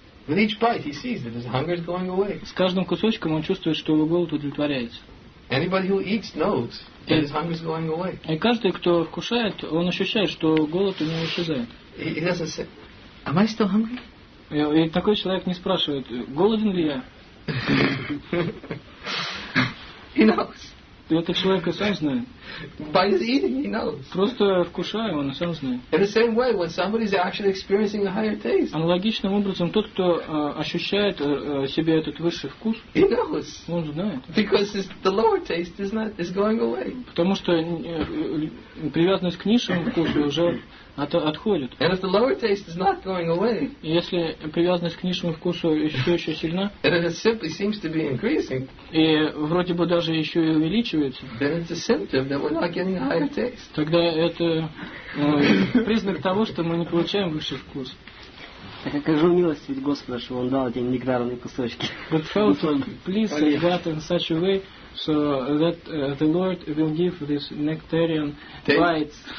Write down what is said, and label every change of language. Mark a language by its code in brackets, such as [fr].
[en] With each bite he sees that his hunger is going away. [ru] С каждым кусочком он чувствует, что его голод удовлетворяется. [en] Anybody who eats knows that his hunger is going away. [ru] И каждый, кто вкушает, он ощущает, что голод у него исчезает. [en] He doesn't say, am I still hungry? [ru] И такой человек не спрашивает, голоден ли я? [en] He knows. [ru] И этот человек и сам знает. [en] By his eating, he knows. [ru] Просто вкушая, он и сам знает. [en] In the same way, when somebody is actually experiencing a higher taste. [ru] Аналогичным образом, тот, кто ощущает себе этот высший вкус, [en] he knows. [ru] Он знает. [en] Because the lower taste is going away. [ru] Потому что привязанность к низшему вкусу уже отходит. [en] And if the lower taste is not going away. [ru] Если привязанность к низшему вкусу все еще сильна, [en] and it simply seems to be increasing. [ru] И вроде бы даже еще и увеличивается. [en] Then it's a symptom. That we're not getting a higher taste. [ru] Тогда это признак того, что мы не получаем высший вкус. Так как же умилость ведь Господа, что Он дал эти нектарные кусочки. [en] But how to please oh, yeah. God in such a way so that the Lord will give this nectarian bites.